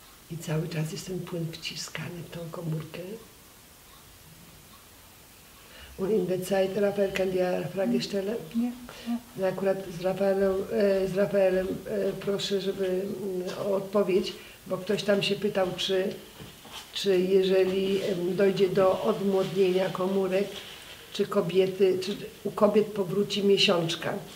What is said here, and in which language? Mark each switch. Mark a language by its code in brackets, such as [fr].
[pl] I cały czas jest ten płyn wciskany w tą komórkę. [de] Und in der Zeit, Raphael, kann dir eine Frage stellen? Ja. [pl] Akurat z Rafaelem proszę, żeby o odpowiedź. bo ktoś tam się pytał, czy jeżeli dojdzie do odmłodnienia komórek, czy kobiety, czy u kobiet powróci miesiączka.